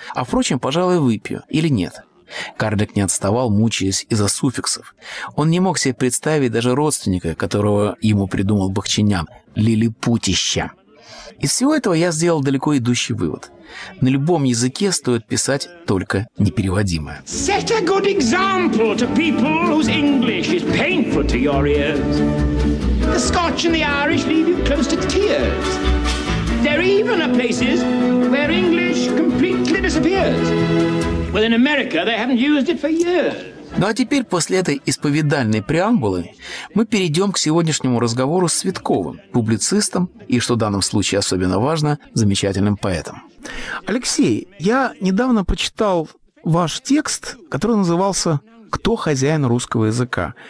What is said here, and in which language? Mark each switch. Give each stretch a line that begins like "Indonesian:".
Russian: А, впрочем, пожалуй, выпью. Или нет?» Карлик не отставал, мучаясь из-за суффиксов. Он не мог себе представить даже родственника, которого ему придумал бахчинян – «лилипутища». Из всего этого я сделал далеко идущий вывод. На любом языке стоит писать только непереводимое.
English: Set a good example to people whose English is painful to your ears. The Scotch and the Irish leave you close to tears. There even are places where English completely disappears. Well, in America they haven't used it for years.
Russian: Ну а теперь, после этой исповедальной преамбулы, мы перейдем к сегодняшнему разговору с Витковым, публицистом и, что в данном случае особенно важно, замечательным поэтом. Алексей, я недавно прочитал ваш текст, который назывался «Кто хозяин русского языка?».